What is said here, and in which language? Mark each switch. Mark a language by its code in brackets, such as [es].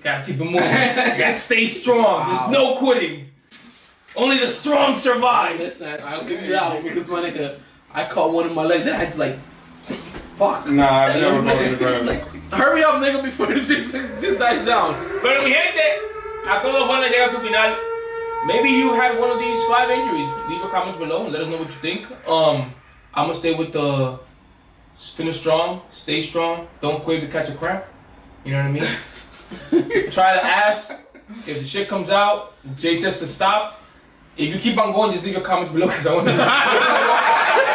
[en] Gotta keep it moving. You gotta stay strong. Wow. There's no quitting. Only the strong survive. Listen, I'll give you that one because my nigga, I caught one in my leg that had to like, fuck. Nah, I've never caught in a cramp. Hurry up, nigga, before this shit just dies down. [es] Pero mi gente, a todos los buenos llegan a su final. [en] Maybe you had one of these 5 injuries. Leave a comment below and let us know what you think. I'm going to stay with the finish strong, stay strong, don't quit to catch a cramp. You know what I mean? Try the ass. If the shit comes out, Jay says to stop. If you keep on going, just leave your comments below because I want to know.